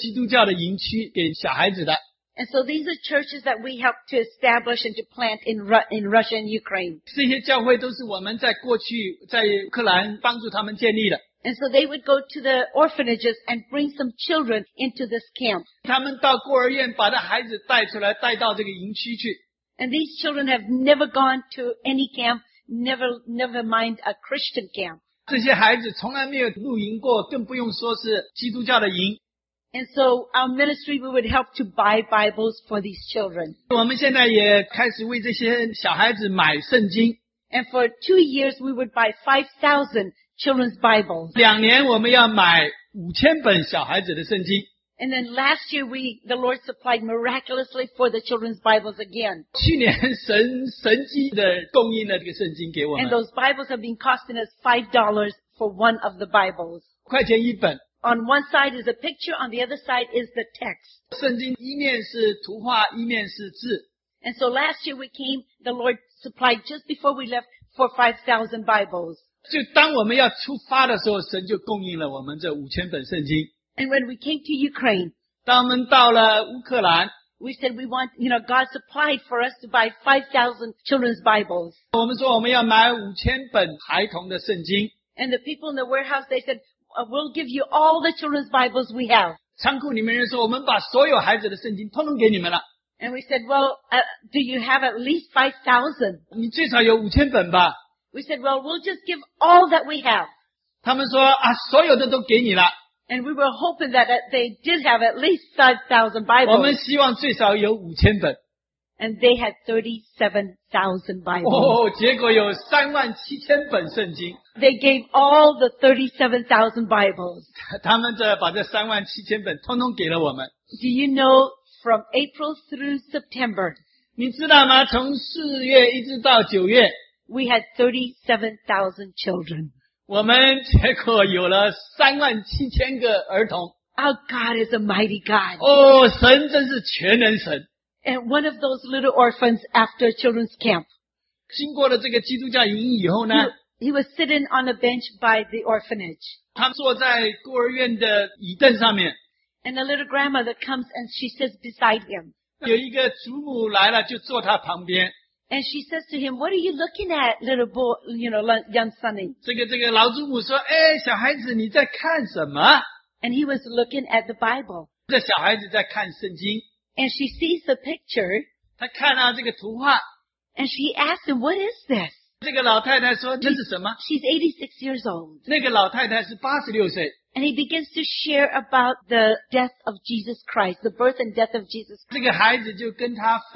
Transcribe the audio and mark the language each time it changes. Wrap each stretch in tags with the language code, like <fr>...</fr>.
<zh>8月、9月有好几百个基督教的营区给小孩子的。</zh> <en>And so these are churches that we help to establish and to plant in Russia and Ukraine.</en> <zh>这些教会都是我们在过去在乌克兰帮助他们建立的。</zh> <en>And so they would go to the orphanages and bring some children into this camp.</en> <zh>他们到孤儿院把这孩子带出来，带到这个营区去。</zh> <en>And these children have never gone to any camp, never mind a Christian camp.</en> <zh>这些孩子从来没有露营过，更不用说是基督教的营。</zh> <en>And so our ministry, we would help to buy Bibles for these children.</en> <zh>我们现在也开始为这些小孩子买圣经。</zh> <en>And for 2 years, we would buy 5,000 children's Bibles.</en> <zh>2年我们要买5,000本小孩子的圣经。</zh> <en>And then last year, the Lord supplied miraculously for the children's Bibles again.</en> <zh>去年神迹的供应了这个圣经给我们。</zh> <en>And those Bibles have been costing us $5 for one of the Bibles.</en> <zh>1块钱一本。</zh> <en>on one side is a picture, on the other side is the text.</en> <zh>圣经一面是图画, 一面是字。</zh> <en>And so last year we came, the Lord supplied just before we left 4,000 or 5,000 Bibles.</en> <zh>就当我们要出发的时候, 神就供应了我们这5,000本圣经。</zh> <en>And when we came to Ukraine,</en> <zh>当我们到了乌克兰,</zh> <en>we said we want, you know, God supplied for us to buy 5,000 children's Bibles.</en> <zh>我们说我们要买5,000本孩童的圣经。</zh> <en>And the people in the warehouse, they said, we'll give you all the children's Bibles we have.</en> <zh>仓库里面人说我们把所有孩子的圣经通通给你们了。</zh> <en>And we said, well, do you have at least 5,000?</en> <zh>你最少有5,000本吧。</zh> <en>We said, well, we'll just give all that we have.</en> <zh>他们说啊，所有的都给你了。</zh> <en>And we were hoping that they did have at least 5,000 Bibles.</en> <zh>我们希望最少有5,000本。</zh> <en>And they had 37,000 Bibles.</en> <zh>哦，结果有37,000本圣经。</zh> <en>They gave all the 37,000 Bibles.</en> <zh>他们这把这37,000本通通给了我们。</zh> <en>Do you know from April through September?</en> <zh>你知道吗？从4月一直到9月。</zh> <en>We had 37,000 children.</en> <zh>我们结果有了37,000个儿童。</zh> <en>Our God is a mighty God.</en> <zh>哦，神真是全能神。</zh> <en>And one of those little orphans after children's camp.</en> <zh>经过了这个基督教营以后呢？</zh> <en>He was sitting on a bench by the orphanage.</en> <zh>他坐在孤儿院的椅凳上面。</zh> <en>And a little grandmother comes and she sits beside him.</en> <zh>有一个祖母来了就坐他旁边。</zh> <en>And she says to him, what are you looking at, little boy, you know, young sonny?</en> <zh>这个老祖母说，哎，小孩子你在看什么？</zh> <en>And he was looking at the Bible.</en> <zh>这小孩子在看圣经。</zh> <en>And she sees the picture.</en> <zh>她看到这个图画。</zh> <en>And she asks him, what is this?</en> <zh>这个老太太说，这是什么？</zh> <en>She's 86 years old.</en> <zh>那个老太太是86岁。</zh> <en>And he begins to share about the death of Jesus Christ, the birth and death of Jesus Christ.</en>